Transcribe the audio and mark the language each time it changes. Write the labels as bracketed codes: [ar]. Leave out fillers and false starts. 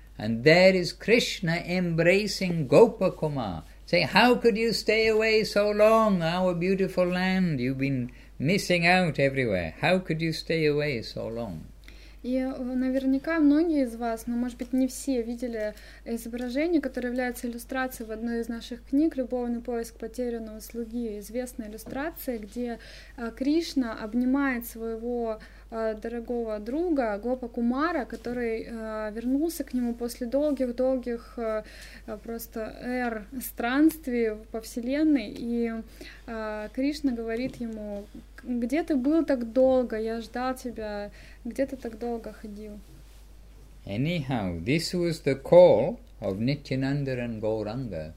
[en] And there is Krishna embracing Gopakumar, saying, how could you stay away so long, our beautiful land? You've been missing out everywhere. How could you stay away so long? [ru] И наверняка многие из вас, но, может быть, не все, видели изображение, которое является иллюстрацией в одной из наших книг «Любовный поиск потерянного слуги». Известная иллюстрация, где Кришна обнимает своего дорогого друга Гопа Кумара, который вернулся к нему после долгих-долгих просто эр странствий по вселенной. И Кришна говорит ему: «Где ты был так долго? Я ждал тебя. Где ты так долго ходил?» [en] Anyhow, this was the call of Nityananda and Gauranga.